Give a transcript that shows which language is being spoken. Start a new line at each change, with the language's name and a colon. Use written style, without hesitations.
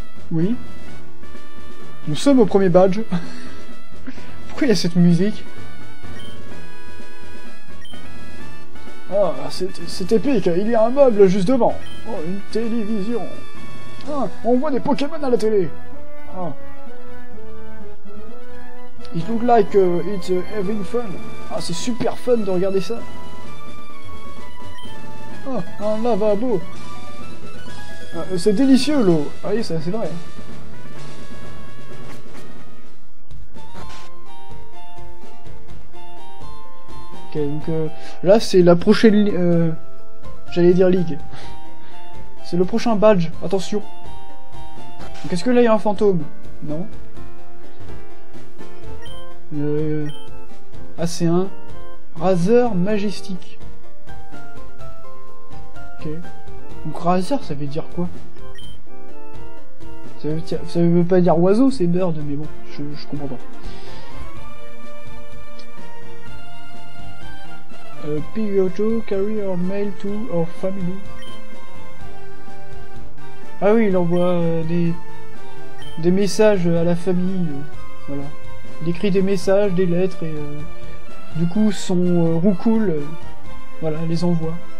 French: Oui. Nous sommes au premier badge. Pourquoi il y a cette musique? Ah, c'est épique. Il y a un meuble juste devant. Oh, une télévision. Ah, on voit des Pokémon à la télé. Ah.
English: It looks like it's having fun.
French: Ah, c'est super fun de regarder ça. Oh, un lavabo. C'est délicieux l'eau. Ah oui, c'est vrai. Ok, donc là c'est la prochaine j'allais dire ligue. C'est le prochain badge, attention. Donc est-ce que là il y a un fantôme? Non. Ah c'est un Razor Majestic. Ok. Donc Razor, ça veut dire quoi? Ça veut pas dire oiseau, c'est bird, mais bon, je comprends pas.
English: Pick your two, carry your mail to our family.
French: Ah oui, il envoie des messages à la famille. Voilà. Il écrit des messages, des lettres, et du coup, son Rukul, voilà, les envoie.